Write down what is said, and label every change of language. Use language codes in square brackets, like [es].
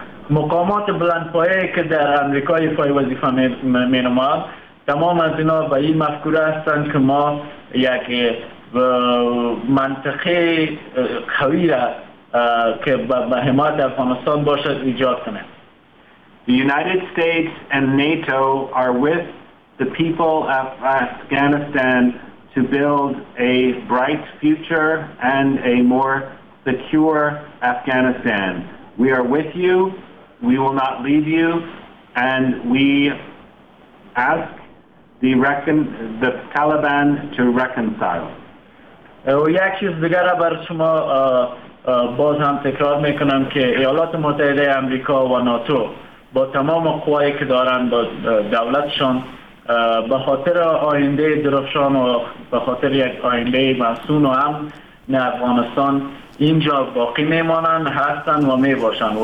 [fa] مقامات بلندپایه که در امریکای پای وظیفه می نماید، تمام از اینا به این مفکوره هستند که ما یک منطقه قوی را که به حمایت افغانستان باشد ایجاد کنند. [en] The United States and NATO are with the people of Afghanistan to build a bright future and a more secure Afghanistan. We are with you. We will not leave you, and we ask the Taliban to reconcile. [fa] یک چیز دیگر بر شما باز هم تکرار میکنم که ایالات متحده امریکا و ناتو با تمام قوایی که دارن با دولتشان به خاطر آینده درخشان و به خاطر یک آینده مصون و هم نه افغانستان اینجا باقی میمانند، هستند و میباشند.